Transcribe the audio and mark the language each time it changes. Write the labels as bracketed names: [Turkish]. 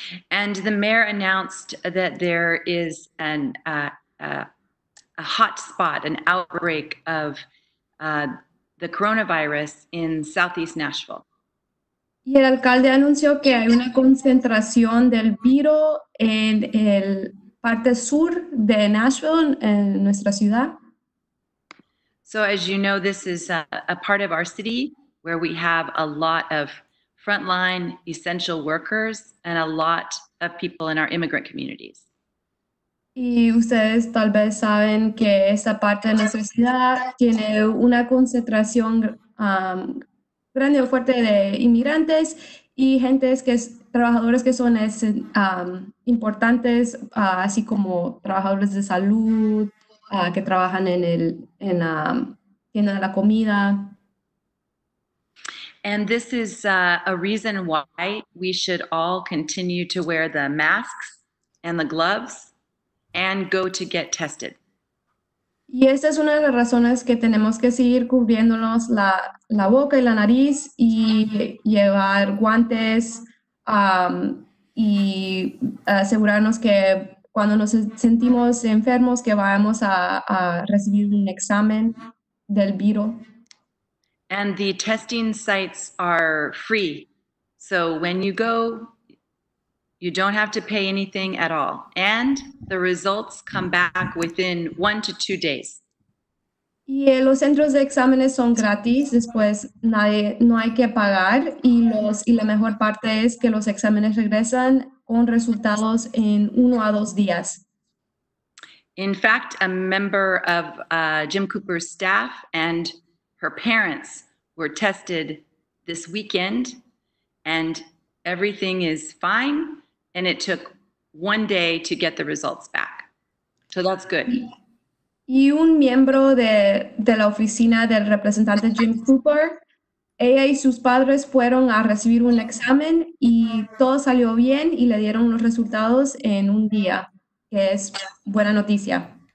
[English] And the mayor announced that there is an a hot spot, an outbreak of the coronavirus in Southeast Nashville. [Spanish] Y el alcalde anunció que hay una concentración del virus en el parte sur de Nashville, en nuestra ciudad. [English] So as you know, this is a part of our city where we have a lot of frontline essential workers and a lot of people in our immigrant communities. [Spanish] Y ustedes tal vez saben que esta parte de nuestra ciudad tiene una concentración grande o fuerte de inmigrantes y gentes que trabajadores que son importantes, así como trabajadores de salud, que trabajan en el en la tienda de la comida. [English] And this is a reason why we should all continue to wear the masks and the gloves and go to get tested. [Spanish] Y esta es una de las razones que tenemos que seguir cubriéndonos la boca y la nariz y llevar guantes y asegurarnos que cuando nos sentimos enfermos que vamos a recibir un examen del virus. [English] And the testing sites are free. So when you go, you don't have to pay anything at all. And the results come back within 1 to 2 days. [Spanish] Y los centros de exámenes son gratis, después nadie, no hay que pagar. Y la mejor parte es que los exámenes regresan con resultados en 1 a 2 días. [English] In fact, a member of Jim Cooper's staff and her parents were tested this weekend and everything is fine. And it took 1 day to get the results back. So that's good. [Spanish] Y un miembro de la oficina del representante Jim Cooper, ella y sus padres fueron a recibir un examen y todo salió bien y le dieron los resultados en un día, que es buena noticia.